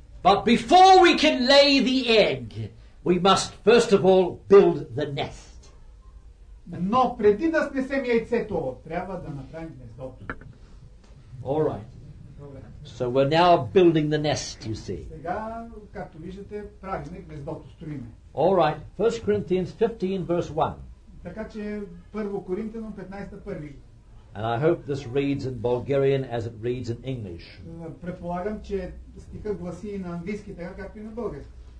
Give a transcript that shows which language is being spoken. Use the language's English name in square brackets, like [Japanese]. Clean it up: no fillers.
[English] But before we can lay the egg, we must first of all build the nest. [Bulgarian] Но преди да снесем яйцето, трябва да направим гнездо. [English] All right. So we're now building the nest, you see. [Bulgarian] Сега, както виждате, правим гнездото, строим. [English] All right. 1 Corinthians 15 verse 1. [Bulgarian] Така че 1 Коринтяно 15 първи. [English] And I hope this reads in Bulgarian as it reads in English. [Bulgarian] Предполагам, че стихът гласи на английски, така както и на български.